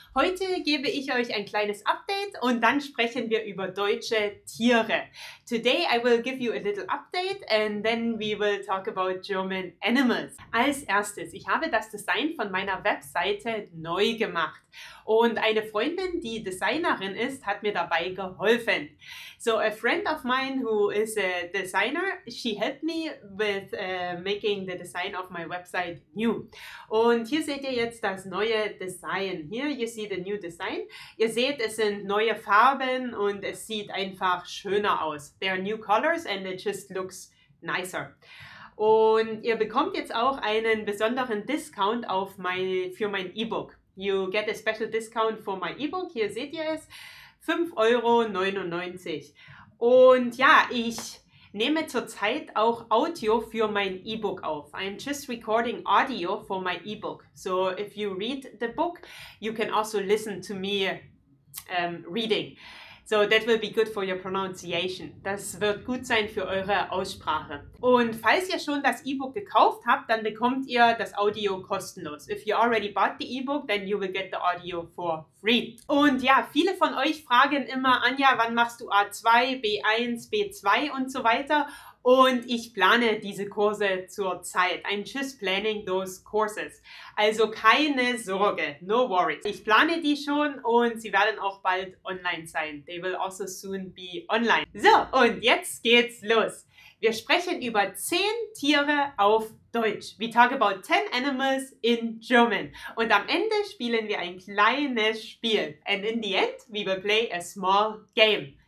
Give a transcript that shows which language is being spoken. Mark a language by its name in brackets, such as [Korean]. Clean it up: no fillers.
[German] Heute gebe ich euch ein kleines Update und dann sprechen wir über deutsche Tiere. [English] Today I will give you a little update and then we will talk about German animals. [German] Als erstes, ich habe das Design von meiner Webseite neu gemacht und eine Freundin, die Designerin ist, hat mir dabei geholfen. [English] So a friend of mine who is a designer, she helped me with making the design of my website new. [German] Und hier seht ihr jetzt das neue Design. [English] Here you see the new design. [German] Ihr seht, es sind neue Farben und es sieht einfach schöner aus. [English] There are new colors and it just looks nicer. [German] Und ihr bekommt jetzt auch einen besonderen Discount für mein E-Book. [English] You get a special discount for my E-Book. [German] Hier seht ihr es. [English] 5,99 €. [German] Und ja, ich nehme zurzeit auch Audio für mein E-Book auf. [English] I'm just recording audio for my E-Book. So if you read the book, you can also listen to me reading. So that will be good for your pronunciation. [German] Das wird gut sein für eure Aussprache. Und falls ihr schon das E-Book gekauft habt, dann bekommt ihr das Audio kostenlos. [English] If you already bought the E-Book, then you will get the audio for free. [German] Und ja, viele von euch fragen immer, Anja, wann machst du A2, B1, B2 und so weiter? Und ich plane diese Kurse zurzeit. [English] I'm just planning those courses. [German] Also keine Sorge, [English] no worries. [German] Ich plane die schon und sie werden auch bald online sein. [English] They will also soon be online. [German] So, und jetzt geht's los. Wir sprechen über 10 Tiere auf Deutsch. [English] We talk about 10 animals in German. [German] Und am Ende spielen wir ein kleines Spiel. [English] And in the end, we will play a small game.